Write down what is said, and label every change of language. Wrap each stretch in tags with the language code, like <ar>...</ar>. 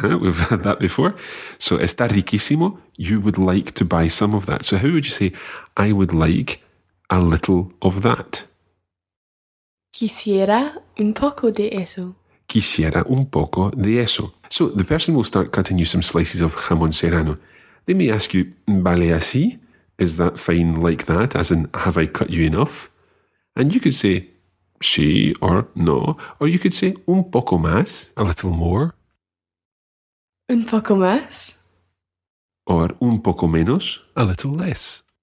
<en>We've had that before. So,</en> <es>está riquísimo.</es> <en>You would like to buy some of that. So, how would you say, I would like a little of that?</en> <es>Quisiera un poco de eso. Quisiera un poco de eso.</es> <en>So, the person will start cutting you some slices of jamón serrano. They may ask you,</en> <es>¿vale así?</es> <en>Is that fine like that? As in, have I cut you enough? And you could say, sí or no. Or you could say,</en> <es>un poco más,</es> <en>a little more.</en> <es>Un poco más.</es> <en>Or</en> <es>un poco menos,</es> <en>a little less.</en>